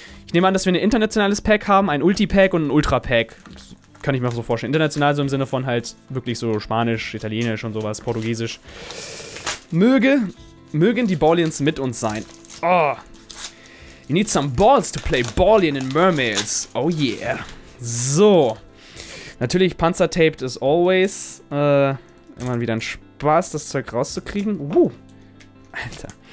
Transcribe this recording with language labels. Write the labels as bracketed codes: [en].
[de] Ich nehme an, dass wir ein internationales Pack haben, ein Ulti-Pack und ein Ultra-Pack. Das kann ich mir auch so vorstellen. International so im Sinne von halt wirklich so Spanisch, Italienisch und sowas, Portugiesisch. Mögen die Ballians mit uns sein. Oh. [en] You need some balls to play Ballian in Mermails. Oh yeah. So. Natürlich, Panzertaped is always. [de] Immer wieder ein Spaß, das Zeug rauszukriegen. Alter.